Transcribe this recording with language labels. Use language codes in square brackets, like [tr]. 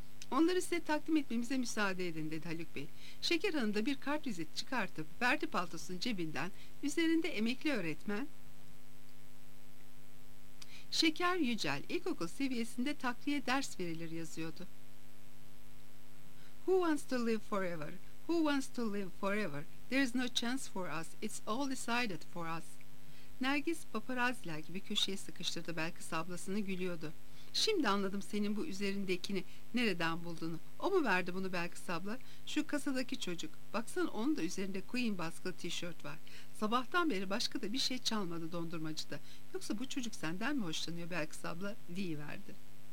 [tr] Onları size takdim etmemize müsaade edin dedi Haluk Bey. Şeker Hanım da bir kartvizit çıkartıp verdi paltosunun cebinden. Üzerinde emekli öğretmen Şeker Yücel ilkokul seviyesinde takviye ders verilir yazıyordu. [en] Who wants to live forever? Who wants to live forever? There is no chance for us. It's all decided for us. [tr] Nergis paparaziler gibi köşeye sıkıştırdı Belkıs ablasını, gülüyordu. Şimdi anladım senin bu üzerindekini, nereden bulduğunu. O mu verdi bunu Belkıs abla? Şu kasadaki çocuk. Baksana onun da üzerinde Queen baskılı tişört var. Sabahtan beri başka da bir şey çalmadı dondurmacıda. Yoksa bu çocuk senden mi hoşlanıyor Belkıs abla diyiverdi.